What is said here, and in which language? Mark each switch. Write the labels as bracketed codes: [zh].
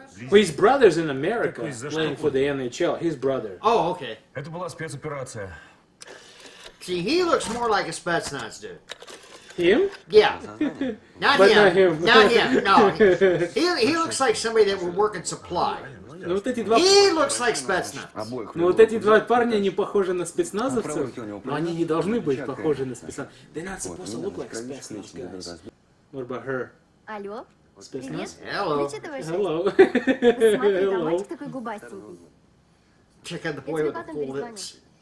[en] His brother's in America, playing for the NHL. His brother. Oh, okay. [ru] Это была спецоперация. [en] See, he looks more like a Spetsnaz dude. Him? Yeah. Not him. No. He looks like somebody that would work in supply. [ru] Ну, вот эти два... [en] He looks like Spetsnaz. [ru] Ну, вот эти два парня не похожи на спецназовцев, но они не должны быть похожи на спецназовцев. [en] They're not supposed to look like Spetsnaz, guys. What about her? [ru] Алло? Спецназ? [en] Hello. Hello. [ru] Посмотри, там мальчик такой губастенький. [en] Check out the boy with the full lips.